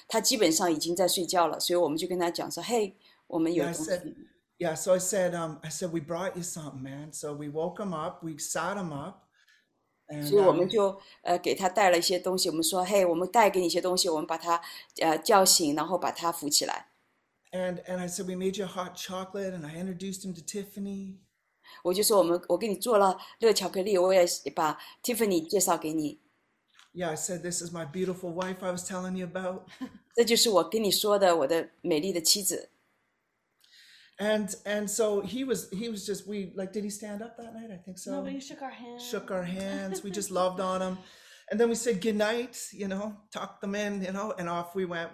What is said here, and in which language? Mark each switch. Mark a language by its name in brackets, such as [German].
[Chinese] 所以我们就做了一个特别的一个饮料，做了这个热巧克力。然后呢，我们下去的时候也是11点晚上了，他基本上已经在睡觉了。所以我们就跟他讲说， [English] "Hey, [Chinese] 我们有东西。" [English] Yeah, so I said, "We brought you something, man." So we woke him up, we sat him up. [Chinese] 所以我们就给他带了一些东西，我们说， [English] "Hey, [Chinese] 我们带给你一些东西，我们把他叫醒，然后把他扶起来。" [English] And I said, "We made you a hot chocolate," and I introduced him to Tiffany. [Chinese] 我就说我给你做了热巧克力，我也把 Tiffany 介绍给你。 [English] Yeah, I said, "This is my beautiful wife I was telling you about." [Chinese] 这就是我跟你说的我的美丽的妻子。 [English] And so he was just, we like, did he stand up that night? I think so. No, but you shook our hands. Shook our hands. We just loved on him. And then we said goodnight, you know, tucked them in, you know, and off we went.